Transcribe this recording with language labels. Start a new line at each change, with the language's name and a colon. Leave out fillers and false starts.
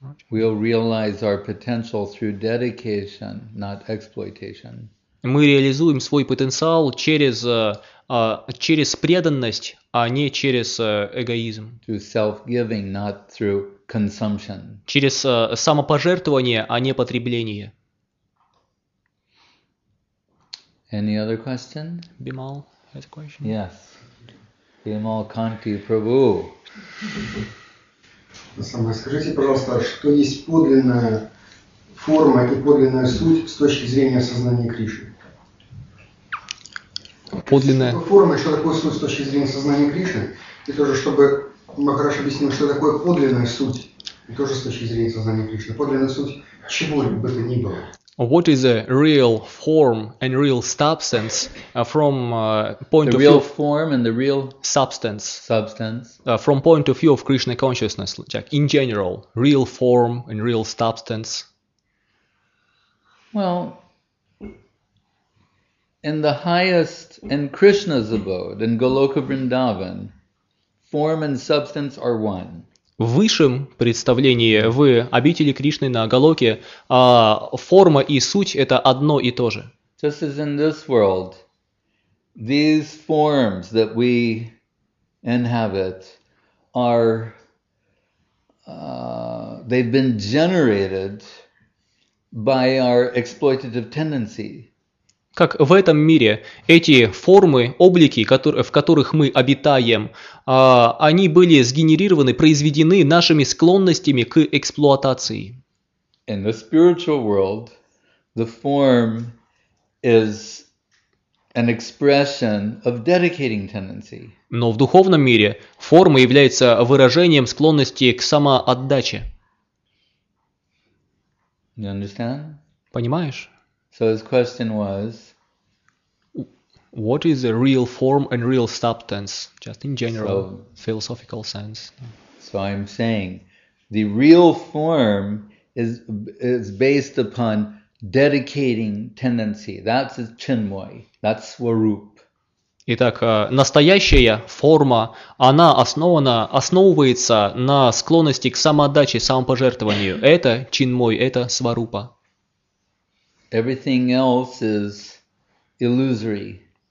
English: We'll realize our potential through dedication, not exploitation.
Russian: Мы реализуем свой потенциал через преданность, а не через эгоизм.
English: Through self-giving, not through consumption.
Russian: Через самопожертвование, а не потребление.
English: Any other question? Bimal has a question. Yes. Bimal Kanti Prabhu.
Russian: Скажите, пожалуйста, что есть подлинная форма и подлинная суть с точки зрения сознания Кришны? Что Подлинная. такое форма и что такое суть с точки зрения сознания Кришны? И тоже, чтобы Махараш объяснил, что такое подлинная суть и тоже с точки зрения сознания Кришны. Подлинная суть чего бы то ни было.
English: What is a real form and real substance from point The of real form and the real substance substance. From point of view of Krishna consciousness, Jack, in general, real form and real substance. Well, in the highest in Krishna's abode in Goloka Vrindavan, form and substance are one.
Russian: В высшем представлении, в обители Кришны на Голоке, форма и суть – это одно и то же.
English: Just as in this world, these forms that we inhabit are, they've been generated by our exploitative tendency.
Russian: Как в этом мире эти формы, облики, в которых мы обитаем, они были сгенерированы, произведены нашими склонностями к эксплуатации.
English: In the spiritual world, the form is an expression of dedicating tendency.
Russian: Но в духовном мире форма является выражением склонности к самоотдаче.
English: You understand?
Russian: Понимаешь?
English: So his question was, what is a real form and real substance, just in general, philosophical sense? So I'm saying, the real form is based upon dedicating tendency. That's its chinmoy. That's swarup.
Russian: Итак, настоящая форма, она основывается на склонности к самоотдаче, самопожертвованию. Это чинмой, это сварупа.
English: Everything else is illusory.